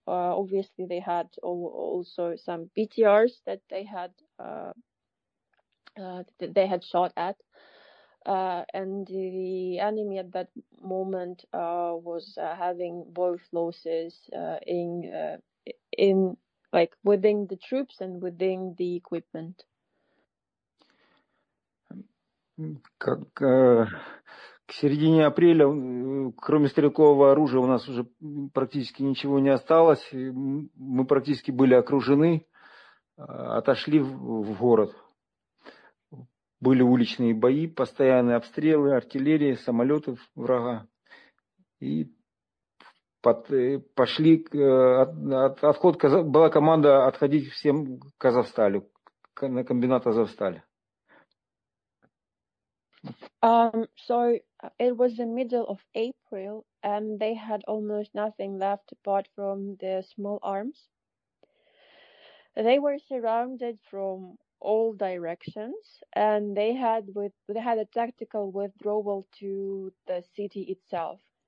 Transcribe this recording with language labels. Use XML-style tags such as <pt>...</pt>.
<en>Obviously, they had also some BTRs that they had shot at. And the enemy at that moment was having both losses in like within the troops and within the equipment.</en> <ru>К середине апреля, кроме стрелкового оружия, у нас уже практически ничего не осталось. Мы практически были окружены, отошли в город. Были уличные бои, постоянные обстрелы, артиллерии, самолеты врага. И пошли, отход, была команда отходить всем к Азовсталю, на комбинат Азовсталь.</ru> <en>So it was the middle of April and they had almost nothing left apart from the small arms. They were surrounded from all directions and they had a tactical withdrawal to the city itself.</en>